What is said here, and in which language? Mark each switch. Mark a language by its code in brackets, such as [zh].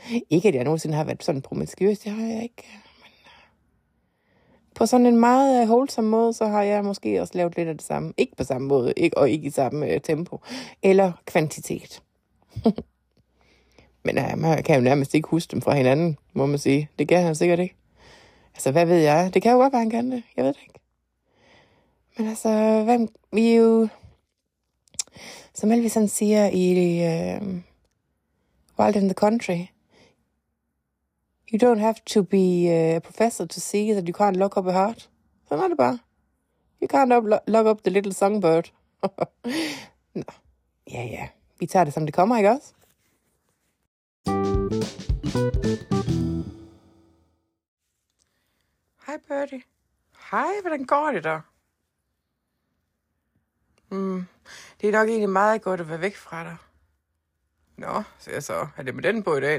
[da] Ikke, at jeg nogensinde har været sådan promiskuøs, det har jeg ikke. Men på sådan en meget holdsom måde, så har jeg måske også lavet lidt af det samme. Ikke på samme måde, ikke, og ikke i samme tempo. Eller kvantitet. Men man kan jo nærmest ikke huske dem fra hinanden, må man sige. Det kan han sikkert ikke. Altså, hvad ved jeg? Det kan jo godt være, han kan det. Jeg ved det ikke. Men altså, hvem, vi er jo, som Elvis siger i Wild in the Country, [en] you don't have to be a professor to see that you can't lock up a heart. [da] Sådan er det bare. [en] You can't lock up the little songbird. [da] Nå, ja, ja. Vi tager det, som det kommer, ikke også? Hej, Birdie. Hej, hvordan går det da? Det er nok egentlig meget godt at være væk fra dig. Nå, siger jeg så. Er det med den på i dag?